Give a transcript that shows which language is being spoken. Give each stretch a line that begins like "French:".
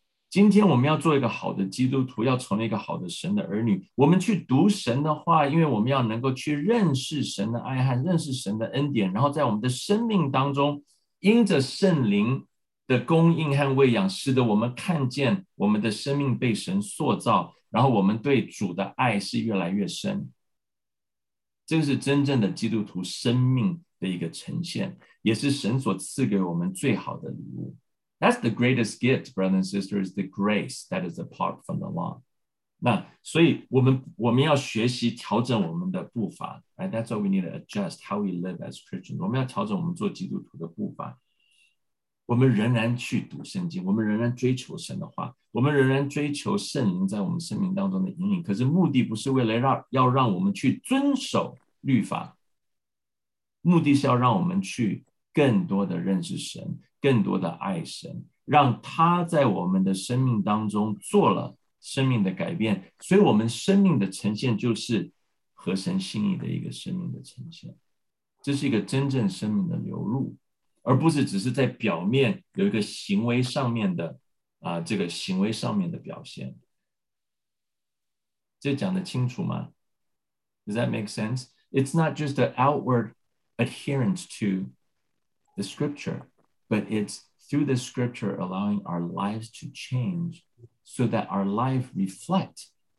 Chinese: 今天我们要做一个好的基督徒，要成为一个好的神的儿女，我们去读神的话，因为我们要能够去认识神的爱和认识神的恩典，然后在我们的生命当中因着圣灵的供应和喂养，使得我们看见我们的生命被神塑造，然后我们对主的爱是越来越深。这是真正的基督徒生命的一个呈现，也是神所赐给我们最好的礼物。
English: That's the greatest gift, brothers and sisters, the grace that is apart from the law.
Chinese: 那所以我们要学习调整我们的步伐，
English: right? That's why we need to adjust how we live as Christians.
Chinese: 我们要调整我们做基督徒的步伐。我们仍然去读圣经，我们仍然追求神的话，我们仍然追求圣灵在我们生命当中的引领，可是目的不是为了要让我们去遵守律法，目的是要让我们去更多的认识神，更多的爱神，让他在我们的生命当中做了生命的改变，所以我们生命的呈现就是合神心意的一个生命的呈现。这是一个真正生命的流露，而不是只是在表面有一个行为上面的这个行为上面的表现。这讲得清楚吗？
English: Does that make sense? It's not just an outward adherence to the scripture. But it's through the scripture allowing our lives to change so that our life reflect